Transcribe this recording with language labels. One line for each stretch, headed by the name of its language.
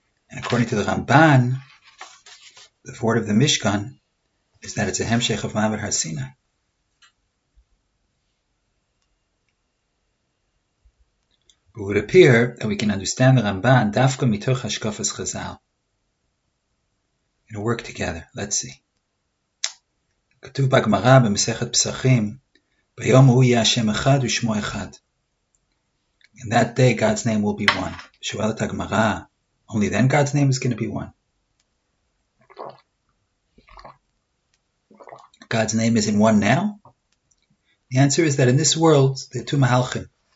English: And according to the Ramban, the word of the Mishkan is that it's a Hemshech of Mavet HaSinai. But it would appear that we can understand the Ramban dafka mitoch hashkafas Chazal. It'll work together. Let's see.
Hebrew: כתוב בגמרא במסכת פסחים, ביום הוא יהיה השם אחד ושמו אחד.
English: In that day God's name will be one.
Hebrew: שואלת הגמרא,
English: only then God's name is going to be one. God's name is in one now? The answer is that in this world, there are two mahalchim.